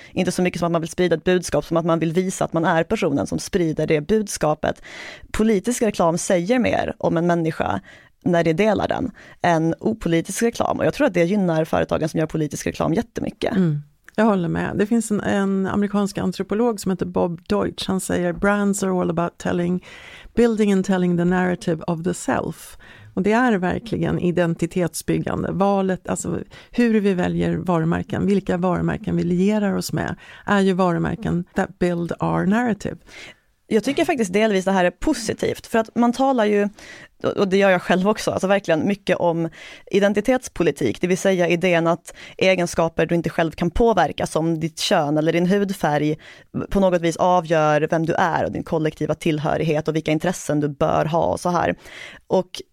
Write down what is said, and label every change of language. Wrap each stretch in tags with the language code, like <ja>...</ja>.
<sv>Inte så mycket som att man vill sprida ett budskap, som att man vill visa att man är personen som sprider det budskapet. Politisk reklam säger mer om en människa när det delar den, en opolitisk reklam. Och jag tror att det gynnar företagen som gör politisk reklam jättemycket. Mm, jag håller med. Det finns en amerikansk antropolog som heter Bob Deutsch. Han säger,</sv> <en>brands are all about telling, building and telling the narrative of the self.</en> <sv>Och det är verkligen identitetsbyggande. Valet, alltså hur vi väljer varumärken, vilka varumärken vi lierar oss med, är ju varumärken</sv> <en>that build our narrative.</en> <sv>Jag tycker faktiskt delvis det här är positivt, för att man talar ju, och det gör jag själv också, alltså verkligen mycket om identitetspolitik, det vill säga idén att egenskaper du inte själv kan påverka, som ditt kön eller din hudfärg, på något vis avgör vem du är och din kollektiva tillhörighet och vilka intressen du bör ha och så här. Och</sv>